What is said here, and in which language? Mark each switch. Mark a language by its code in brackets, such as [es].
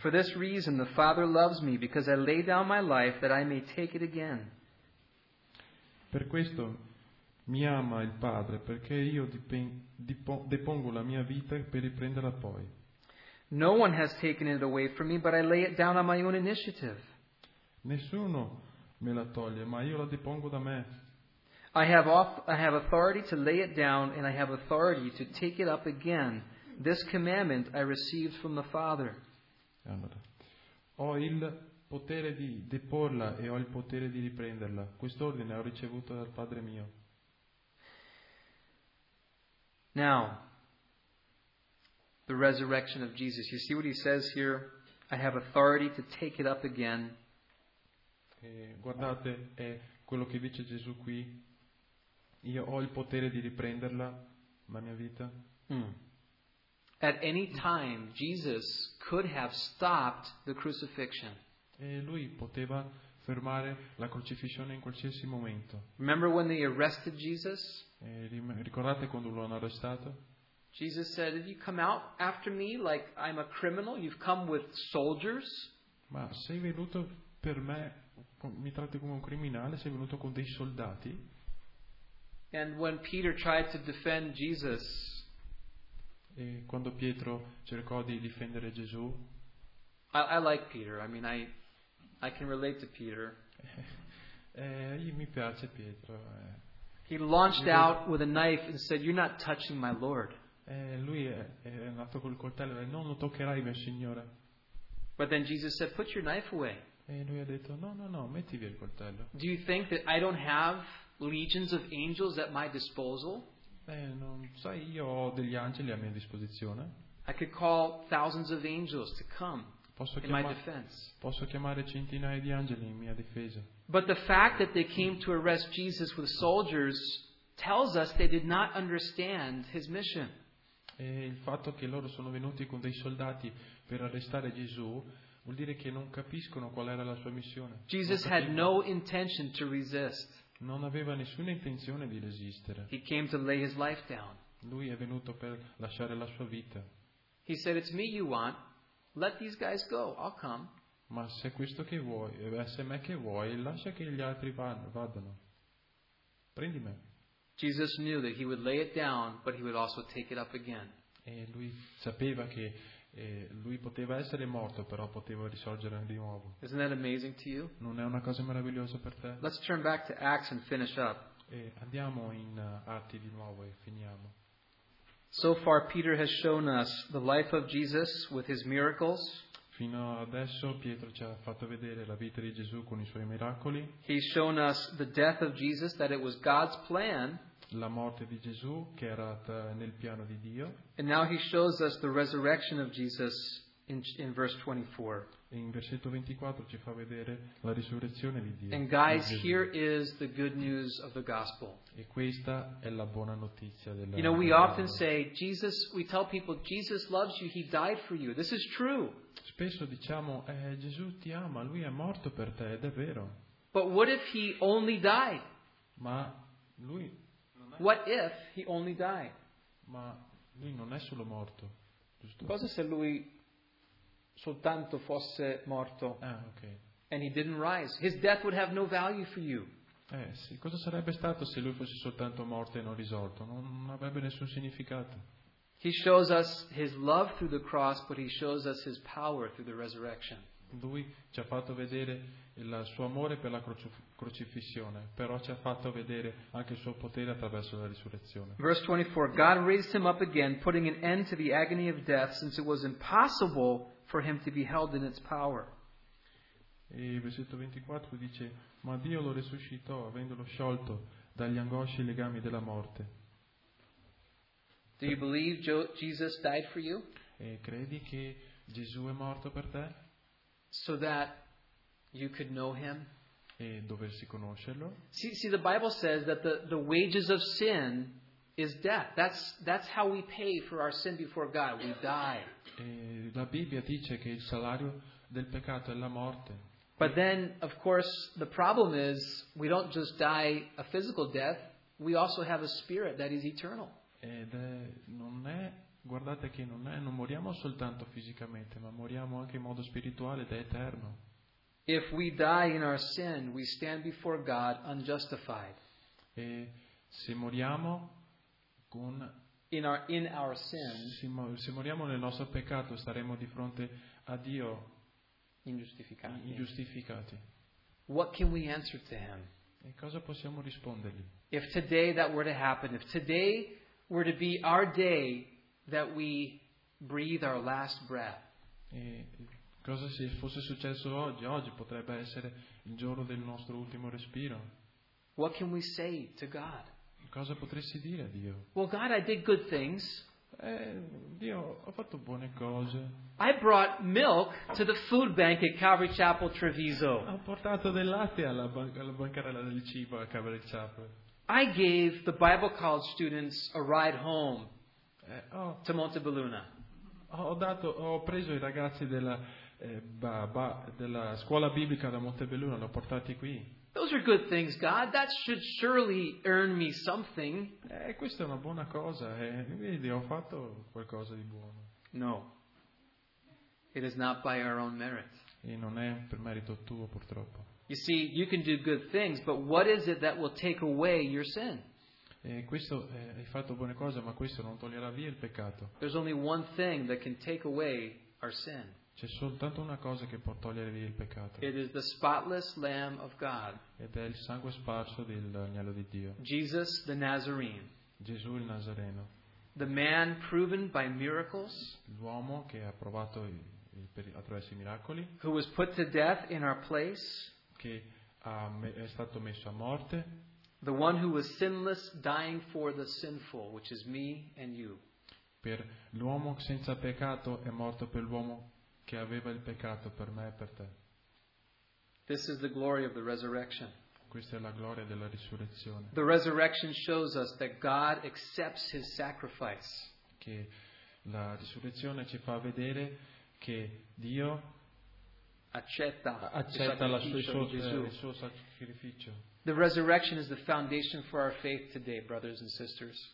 [en] For this reason the Father loves me, because I lay down my life that I may take it again. [it] Per questo mi ama il Padre, perché io depongo la mia vita per riprenderla poi. [en] No one has taken it away from me, but I lay it down on my own initiative. [it] Nessuno me la toglie, ma io la depongo da me. [en] I have authority to lay it down, and I have authority to take it up again. This commandment I received from the Father. [it] Allora, ho il potere di deporla e ho il potere di riprenderla. Quest'ordine ho ricevuto dal Padre mio. [en] Now, the resurrection of Jesus. You see what he says here? I have authority to take it up again. [it] Guardate, è quello che dice Gesù qui. Io ho il potere di riprenderla, la mia vita. [en] At any time, Jesus could have stopped the crucifixion. [it] E lui poteva fermare la crocifissione in qualsiasi momento. [en] Remember when they arrested Jesus? [it] Ricordate quando lo hanno arrestato? [en] Jesus said, "If you come out after me like I'm a criminal, you've come with soldiers." [it] Ma sei venuto per me, mi tratti come un criminale, sei venuto con dei soldati. [en] And when Peter tried to defend Jesus, [it] e quando Pietro cercò di difendere Gesù, [en] I like Peter. I mean, I can relate to Peter. [it] mi piace Pietro. [en] He launched out with a knife and said, "You're not touching my Lord." [it] Lui è andato col coltello e non lo toccherai, mio Signore. [en] But then Jesus said, "Put your knife away." [it] E lui ha detto, no, metti via il coltello. [en] Do you think that I don't have legions of angels at my disposal? [it] Non sai, io ho degli angeli a mia disposizione. [en] I could call thousands of angels to come in my defense. [it] Posso chiamare centinaia di angeli in mia difesa. [en] But the fact that they came to arrest Jesus with soldiers tells us they did not understand his mission. [it] E il fatto che loro sono venuti con dei soldati per arrestare Gesù vuol dire che non capiscono qual era la sua missione. [en] Jesus had no intention to resist. [it] Non aveva nessuna intenzione di resistere. [en] He came to lay his life down. [it] Lui è venuto per lasciare la sua vita. [en] He said, "It's me you want. Let these guys go. I'll come." [it] Ma se è questo che vuoi, se è me che vuoi, lascia che gli altri vadano. Prendi me. [en] Jesus knew that he would lay it down, but he would also take it up again. [it] E lui sapeva che lui poteva essere morto, però poteva risorgere di nuovo. [en] Isn't that amazing to you? [it] Non è una cosa meravigliosa per te? [en] Let's turn back to Acts and finish up. [it] E andiamo in Atti di nuovo e finiamo. [en] So far Peter has shown us the life of Jesus with his miracles. [it] Fino adesso Pietro ci ha fatto vedere la vita di Gesù con i suoi miracoli. [en] He's shown us the death of Jesus, that it was God's plan. [it] La morte di Gesù che era nel piano di Dio. [en] And now he shows us the resurrection of Jesus in verse 24. [it] E in versetto 24 ci fa vedere la risurrezione di Dio. [en] And guys, here is the good news of the gospel. [it] E questa è la buona notizia della. [en] You know, we often say Jesus, we tell people Jesus loves you, he died for you. This is true. [it] Spesso diciamo Gesù ti ama, lui è morto per te, ed è vero. [en] But what if he only died? [it] Ma lui. [en] What if he only died? [it] Ma lui non è solo morto, giusto? Cosa se lui soltanto fosse morto? [en] Ah, okay. And he didn't rise. His death would have no value for you. [it] Sì. Cosa sarebbe stato se lui fosse soltanto morto e non risorto? Non avrebbe nessun significato. [en] He shows us his love through the cross, but he shows us his power through the resurrection. [it] Lui ci ha fatto vedere il suo amore per la crocifissione, però ci ha fatto vedere anche il suo potere attraverso la risurrezione. [en] Verse 24: God raised him up again, putting an end to the agony of death, since it was impossible for him to be held in its power. [it] E il versetto 24 dice: ma Dio lo resuscitò, avendolo sciolto dagli angosci e legami della morte. [en] Do you believe Jesus died for you? [it] E credi che Gesù è morto per te? [en] So that you could know him? [it] E doversi conoscerlo? [en] See, the Bible says that the wages of sin is death. That's how we pay for our sin before God. We die. [it] E la Bibbia dice che il salario del peccato è la morte. [en] But then, of course, the problem is we don't just die a physical death. We also have a spirit that is eternal. [it] Non moriamo soltanto fisicamente, ma moriamo anche in modo spirituale ed è eterno. [en] If we die in our sin, we stand before God unjustified. [it] E se moriamo con [en] in our sin, [it] se moriamo nel nostro peccato, staremo di fronte a Dio ingiustificati. [en] What can we answer to him? [it] E cosa possiamo rispondergli? [en] If today that were to happen, if today were to be our day that we breathe our last breath. [it] E cosa se fosse successo oggi? Oggi potrebbe essere il giorno del nostro ultimo respiro. [en] What can we say to God? [it] Cosa potresti dire a Dio? [en] Well, God, I did good things. [it] Dio, ho fatto buone cose. [en] I brought milk to the food bank at Calvary Chapel Treviso. [it] Ho portato del latte alla bancarella del cibo a Calvary Chapel. [en] I gave the Bible college students a ride home to Montebelluna. [it] Ho preso i ragazzi della scuola biblica da Montebelluna, l'ho portati qui. [en] Those are good things, God. That should surely earn me something. [it] Questa è una buona cosa. Vedi, ho fatto qualcosa di buono. [en] No. It is not by our own merit. [it] E non è per merito tuo, purtroppo. [en] You see, you can do good things, but what is it that will take away your sin? [it] Hai fatto buone cose, ma questo non toglierà via il peccato. [en] There's only one thing that can take away our sin. [it] C'è soltanto una cosa che può togliere via il peccato. [en] It is the spotless Lamb of God. [it] Ed è il sangue sparso dell'agnello di Dio. [en] Jesus the Nazarene. [it] Gesù il Nazareno. [en] The man proven by miracles. [it] L'uomo che ha provato attraverso i miracoli. [en] Who was put to death in our place. [it] Che è stato messo a morte. [en] The one who was sinless, dying for the sinful, which is me and you. [it] Per l'uomo senza peccato è morto per l'uomo che aveva il peccato per me e per te. [en] This is the glory of the resurrection. [it] Questa è la gloria della risurrezione. [en] The resurrection shows us that God accepts His sacrifice. [it] Che la risurrezione ci fa vedere che Dio accetta il suo sacrificio. [en] The resurrection is the foundation for our faith today, brothers and sisters.